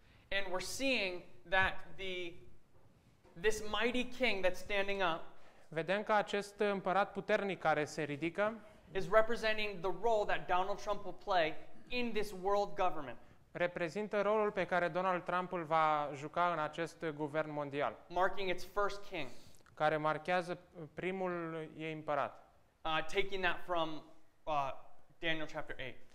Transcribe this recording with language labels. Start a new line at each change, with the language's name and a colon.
English: And we're seeing that this mighty king that's standing up,
Romanian: vedem că acest împărat puternic care se ridică,
English: is representing the role that Donald Trump will play in this world government.
Romanian: Reprezintă rolul pe care Donald Trump îl va juca în acest guvern mondial.
English: Marking its first king.
Romanian: Care marchează primul ei împărat.
English: Taking that from Daniel chapter 8.